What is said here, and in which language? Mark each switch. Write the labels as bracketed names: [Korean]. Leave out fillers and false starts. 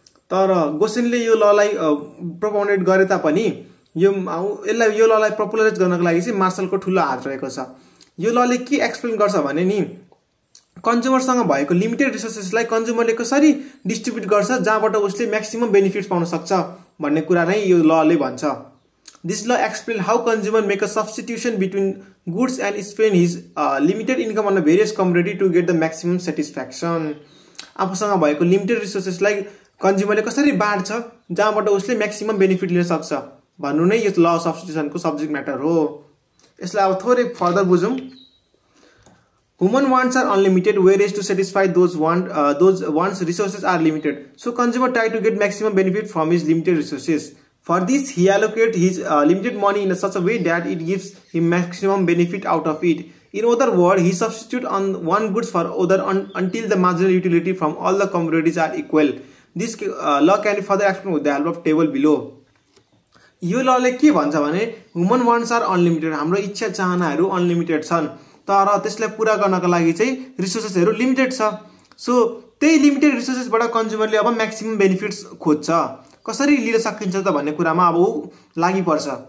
[Nepali] तर गोसेनले यो ललाई प्रोपोनेट गरे तापनि यो यसलाई यो ललाई पपुलराइज गर्नको लागि चाहिँ मार्सलको ठुलो हात रहेको छ। यो लले के एक्सप्लेन गर्छ भने नि, कन्ज्युमरसँग भएको लिमिटेड रिसोर्सेसलाई कन्ज्युमरले कसरी डिस्ट्रिब्युट गर्छ जहाँबाट उसले म्याक्सिमम बेनिफिट्स पाउन सक्छ भन्ने कुरा नै यो लले भन्छ। [English] This law explains how consumer make a substitution between goods and spend his limited income on a various commodity to get the maximum satisfaction. [Nepali] आफूसँग भएको लिमिटेड रिसोर्सेसलाई कन्ज्युमरले कसरी बाँड्छ जहाँबाट उसले म्याक्सिमम बेनिफिट लिन सक्छ भन्नु नै यो ल अफ सब्स्टिट्युसनको सब्जेक्ट म्याटर हो। यसलाई अब थोरै further बुझौँ। [English] Human wants are unlimited, whereas to satisfy those wants, resources are limited. So consumer try to get maximum benefit from his limited resources. For this, he allocate his limited money in a such a way that it gives him maximum benefit out of it. In other words, he substitute on one goods for other until the marginal utility from all the commodities are equal. This law can be further explained with the help of table below. [Nepali] यो लले के भन्छ भने, [English] human wants are unlimited, [Nepali] हाम्रो इच्छा चाहनाहरू unlimited छन्, तर त्यसलाई पुरा गर्नको लागि चाहिँ रिसोर्सेसहरू लिमिटेड छ। सो त्यही लिमिटेड रिसोर्सेसबाट कन्ज्युमरले अब म्याक्सिमम बेनिफिट्स खोज्छ, कसरी लिन सकिन्छ त भन्ने कुरामा अब ऊ लागि पर्छ।